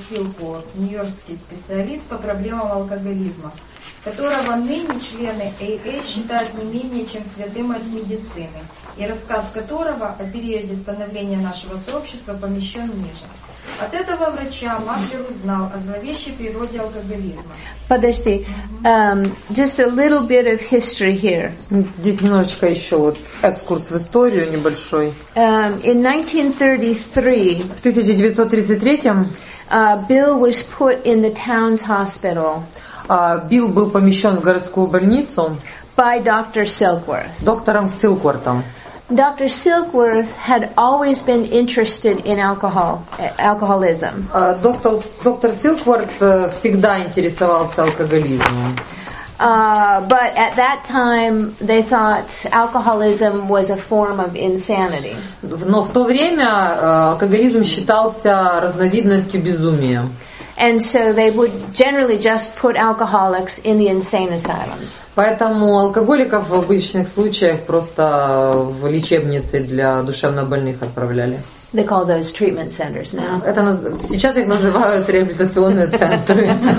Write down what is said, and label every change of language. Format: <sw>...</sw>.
<ru>Силпор, нью-йоркский специалист по проблемам алкоголизма, которого ныне члены АА считают не менее чем святым от медицины, и рассказ которого о периоде становления нашего сообщества помещен ниже. От этого врача Маклер узнал о зловещей природе алкоголизма. Подожди,</ru> <en>just a little bit of history here.</en> <ru>Здесь немножечко еще вот экскурс в историю небольшой.</ru> <en>In 1933, Bill was put in the town's hospital.</en> <ru>Билл был помещен в городскую больницу</ru> <en>by Dr. Silkworth.</en> <ru>Доктором Силквортом.</ru> <en>Dr. Silkworth had always been interested in alcoholism.</en> <ru>Доктор Силкворт всегда интересовался алкоголизмом.</ru> <en>But at that time they thought alcoholism was a form of insanity.</en> <ru>Но в то время алкоголизм считался разновидностью безумия.</ru> <en>And so they would generally just put alcoholics in the insane asylums.</en> <ru>Поэтому алкоголиков в обычных случаях просто в лечебницы для душевнобольных отправляли.</ru> <en>They call those treatment centers now.</en> <ru>Это сейчас их называют реабилитационные центры.</ru>